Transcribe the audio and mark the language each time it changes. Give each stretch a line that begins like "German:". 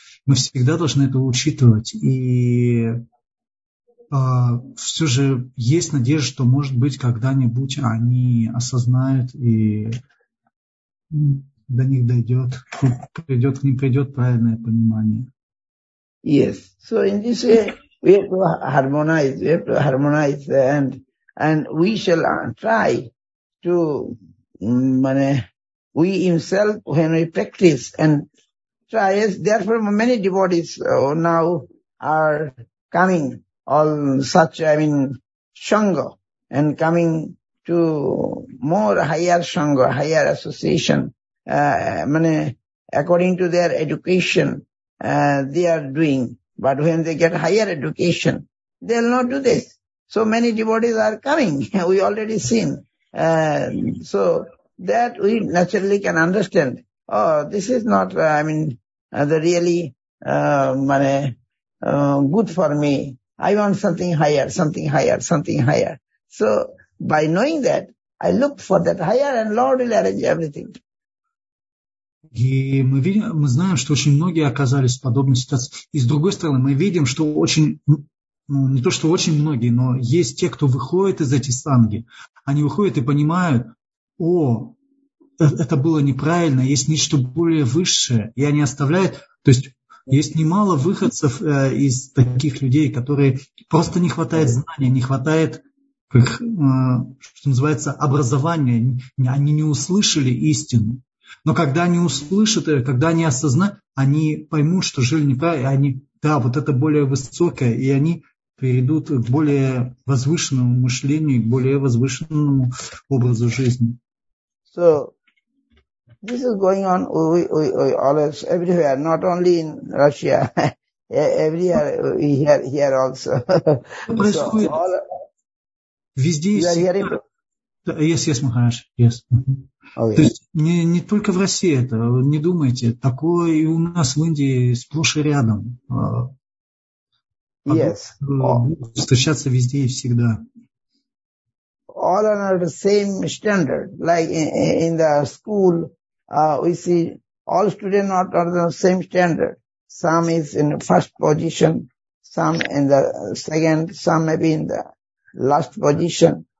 Russian: Мы всегда должны это учитывать. И все же есть надежда, что, может быть, когда-нибудь они осознают и до них дойдет, придет к ним, придет правильное понимание.
English: Yes. So in this way, we have to harmonize, we have to harmonize and we shall try to we himself, when we practice and try, yes, therefore many devotees now are coming, all such, Sangha, and coming to more higher Sangha, higher association, according to their education, they are doing. But when they get higher education, they'll not do this. So many devotees are coming. We already seen. So that we naturally can understand. Oh, this is not, good for me. I want something higher, something higher, something higher. So, by knowing that, I look for that higher and Lord will arrange everything.
Russian: И мы видим, мы знаем, что очень многие оказались в подобной ситуации. И с другой стороны, мы видим, что очень многие, но есть те, кто выходит из этих санги. Они выходят и понимают, о, это было неправильно, есть нечто более высшее. И они оставляют, то есть есть немало выходцев из таких людей, которые просто не хватает знания, не хватает, что называется, образование, они не услышали истину. Но когда они услышат ее, когда они осознают, они поймут, что жили неправильно, и они, да, вот это более высокое, и они перейдут к более возвышенному мышлению, к более возвышенному образу жизни.
English: So, this is going on always, everywhere, not only in Russia, everywhere, here also.
Russian: Происходит. So, везде есть. Yes, Махараш, yes. То есть не только в России это, не думайте, такое и у нас в Индии сплошь и рядом.
English: Yes.
Russian: Встречаться везде и всегда.
English: All on the same standard, like in the school, we see all students not on the same standard. Some is in first position, some in the second, some maybe in the last position.